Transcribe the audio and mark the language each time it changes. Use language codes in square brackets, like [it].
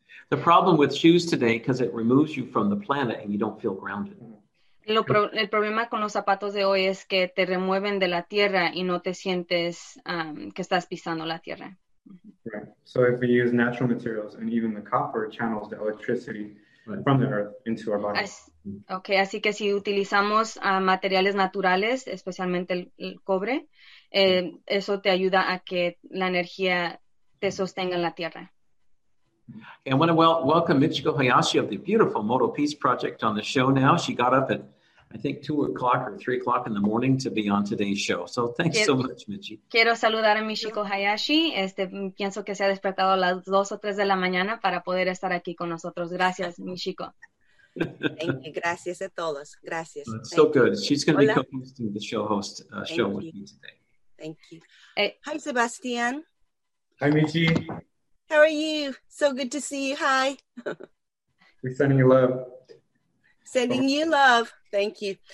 [en] The problem with shoes today, because it removes you from the planet and you don't feel grounded. [es] El problema con los zapatos de hoy es que te remueven de la tierra y no te sientes que estás pisando la tierra. [en] Right. So if we use natural materials and even the copper channels the electricity right. from the earth into our body. [es] Okay, así que si utilizamos materiales naturales, especialmente el cobre, eso te ayuda a que la energía te sostenga en la tierra. [en] I want to welcome Michiko Hayashi of the beautiful Moto Peace Project on the show now. She got up at, I think, 2 o'clock or 3 o'clock in the morning to be on today's show. So thanks so much, Michi. [es] Quiero saludar a Michiko Hayashi. Pienso que se ha despertado a las 2 o 3 de la mañana para poder estar aquí con nosotros. Gracias, Michiko. Gracias a todos. Gracias. [en] That's so good. She's going to be co-hosting the show show with me today. Thank you. Hi, Sebastian. Hi, Michi. How are you? So good to see you. Hi. We're sending you love. Sending you love. Thank you.